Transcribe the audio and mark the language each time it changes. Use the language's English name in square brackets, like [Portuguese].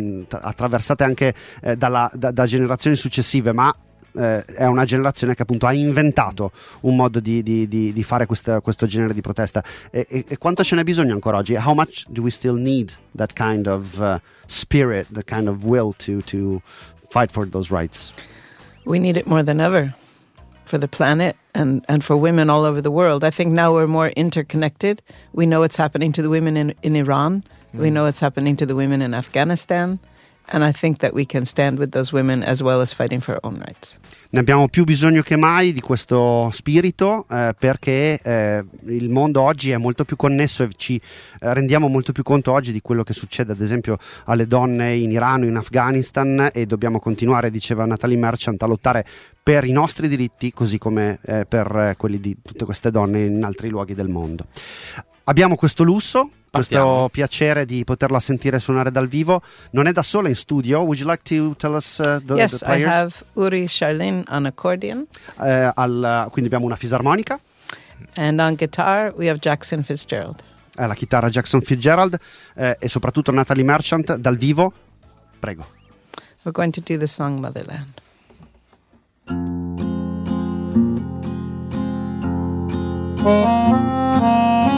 [Italian] attraversate anche da generazioni successive, ma è una generazione che appunto ha inventato un modo di fare questo genere di protesta. E quanto ce n'è bisogno ancora oggi? [English] How much do we still need that kind of spirit, that kind of will to fight for those rights? We need it more than ever for the planet and for women all over the world. I think now we're more interconnected. We know what's happening to the women in Iran. We know what's happening to the women in Afghanistan. And I think that we can stand with those women as well as fighting for our own rights. [Italian] Ne abbiamo più bisogno che mai di questo spirito perché il mondo oggi è molto più connesso e ci rendiamo molto più conto oggi di quello che succede ad esempio alle donne in Iran o in Afghanistan e dobbiamo continuare, diceva Natalie Merchant, a lottare per i nostri diritti così come per quelli di tutte queste donne in altri luoghi del mondo. Abbiamo questo lusso. Questo piacere di poterla sentire suonare dal vivo. Non è da sola in studio. [English] Would you like to tell us yes, the players? Yes, I have Uri Charlin on accordion. [Italian] Quindi abbiamo una fisarmonica. [English] And on guitar we have Jackson Fitzgerald. [Italian] La chitarra Jackson Fitzgerald e soprattutto Natalie Merchant dal vivo. Prego. [English] We're going to do the song Motherland. Oh,